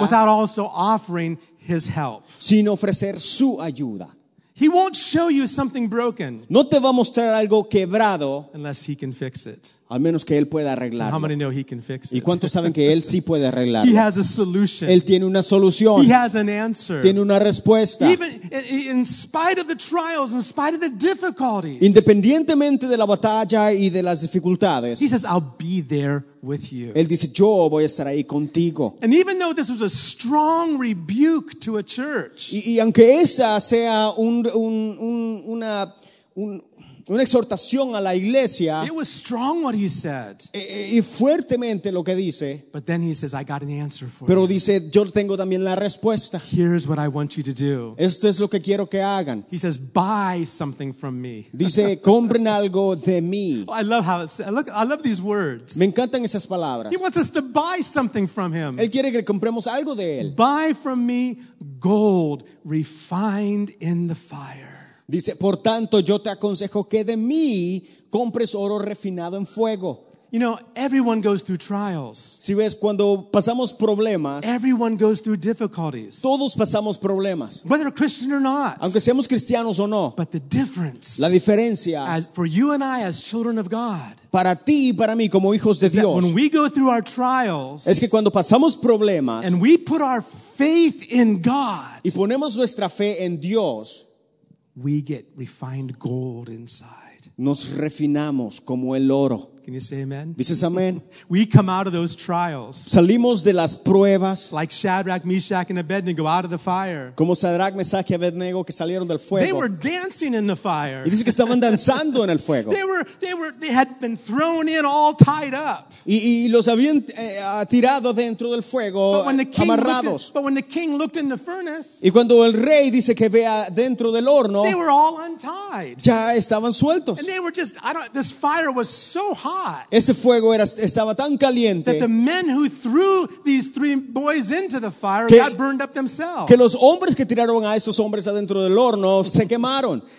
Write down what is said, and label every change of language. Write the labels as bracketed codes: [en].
[en] Without also offering his help. [es] Sin ofrecer su ayuda. [en] He won't show you something broken. [es] No te va a mostrar algo quebrado. [en] Unless he can fix it. [es] Al menos que él pueda arreglarlo. [en] How many know he can fix it? [es] ¿Y cuántos saben que él sí puede arreglarlo? [en] He has a solution. [es] Él tiene una solución. [en] He has an answer. [es] Tiene una respuesta. [en] Even in spite of the trials, in spite of the difficulties. [es] Independientemente de la batalla y de las dificultades. [en] He says, I'll be there with you. [es] Él dice, yo voy a estar ahí contigo. [en] And even though this was a strong rebuke to a church. [es] Y aunque esa sea una exhortación a la iglesia. [en] It was strong what he said. [es] Y fuertemente lo que dice. [en] But then he says, I got an answer for [es] pero [en] you. [es] Dice, yo tengo también la respuesta. [en] Here's what I want you to do. [es] Esto es lo que quiero que hagan. [en] He says, buy something from me. [es] Dice, compren algo de mí. [en] Oh, I love how it's, I love these words. [es] Me encantan esas palabras. [en] He wants us to buy something from him. [es] Él quiere que compremos algo de él. [en] Buy from me gold refined in the fire. [es] Dice, por tanto, yo te aconsejo que de mí compres oro refinado en fuego. [en] You know, everyone goes through trials. [es] Si ves, cuando pasamos problemas. [en] Everyone goes through difficulties. [es] Todos pasamos problemas. [en] Whether a Christian or not. [es] Aunque seamos cristianos o no. [en] But the difference. [es] La diferencia. [en] As for you and I as children of God. [es] Para ti y para mí como hijos de Dios. [en] When we go through our trials. [es] Es que cuando pasamos problemas. [en] And we put our faith in God. [es] Y ponemos nuestra fe en Dios. [en] We get refined gold inside. [es] Nos refinamos como el oro. [en] Can you say amen? [es] Dices amén. [en] We come out of those trials. [es] Salimos de las pruebas. [en] Like Shadrach, Meshach, and Abednego out of the fire. [es] Como Shadrach, Meshach, y Abednego que salieron del fuego. [en] They were dancing in the fire. [es] Y dice que estaban danzando en el fuego. [en] They had been thrown in all tied up. [es] Y los habían tirado dentro del fuego, amarrados. [en] But when the king looked in the furnace, [es] y cuando el rey dice que vea dentro del horno, [en] they were all untied. [es] Ya estaban sueltos. [en] And they were just, this fire was so hot. [es] Este fuego estaba tan caliente [en] that the men who threw these three boys into the fire got burned up themselves. [es] Que los hombres que tiraron a estos hombres adentro del horno se quemaron.